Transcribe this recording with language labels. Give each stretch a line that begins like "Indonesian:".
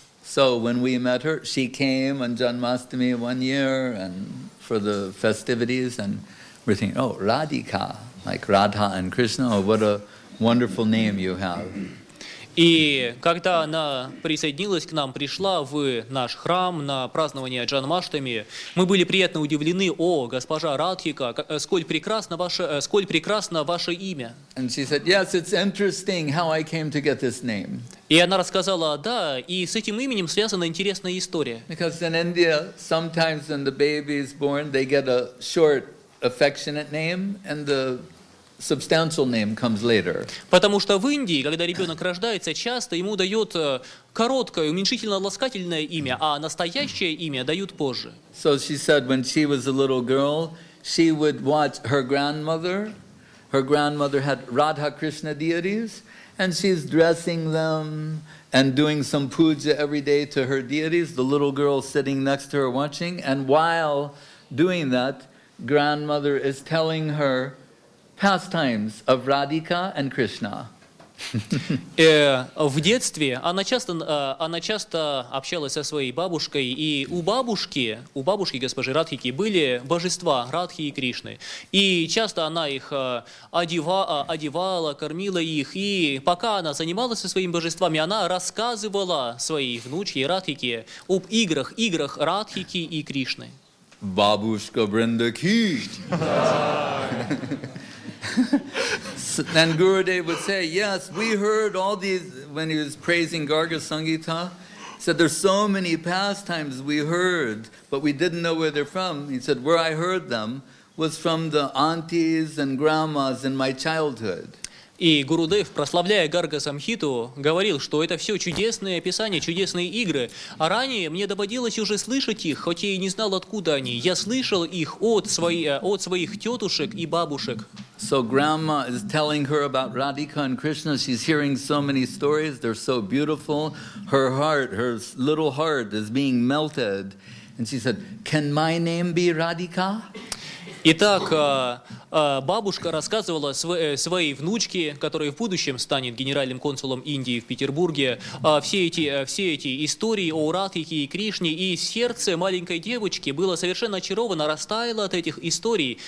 English: So when we met her, she came on Janmashtami one year and for the festivities, and we're thinking, oh, Radhika, like Radha and Krishna, oh, what a wonderful name you have.
Russian: И когда она присоединилась к нам, пришла в наш храм на празднование Джанмаштами, мы были приятно удивлены: о, госпожа Радхика, сколь прекрасно ваше имя.
English: And she said, yes, it's interesting how I came to get this name.
Russian: И она рассказала: да, и с этим именем связана интересная история.
English: Because in India, sometimes when the baby is born, they get a short, affectionate name, and the substantial name comes later.
Russian: Потому что в Индии, когда ребенок рождается, часто ему дают короткое, уменьшительно-ласкательное имя, а настоящее имя дают позже.
English: So she said when she was a little girl, she would watch her grandmother. Her grandmother had Radha Krishna deities, and she's dressing them and doing some puja every day to her deities. The little girl sitting next to her watching, and while doing that, grandmother is telling her pastimes of Radhika and Krishna.
Russian: В детстве она часто общалась со своей бабушкой, и у бабушки госпожи Радхики были божества Радхи и Кришны, и часто она их одевала, кормила их, и пока она занималась со своими божествами, она рассказывала своей внучке Радхике об играх Радхики и Кришны. Бабушка Бринда Ки.
English: And Gurudev would say, yes, we heard all these, when he was praising Garga Sangita, said, there's so many pastimes we heard, but we didn't know where they're from. He said, where I heard them was from the aunties and grandmas in my childhood.
Russian: И Гурудев, прославляя Гарга Самхиту, говорил, что это все чудесные описания, чудесные игры. А ранее мне доводилось уже слышать их, хоть я и не знал, откуда они. Я слышал их от своих тетушек и бабушек.
English: So grandma is telling her about Radhika and Krishna. She's hearing so many stories. They're so beautiful. Her heart, her little heart is being melted. And she said, can my name be Radhika?
Russian: Итак, бабушка рассказывала своей внучке, которая в будущем станет генеральным консулом Индии в Петербурге, все эти истории о Радхике и Кришне, и сердце маленькой девочки было совершенно очаровано, растаяло от этих историй.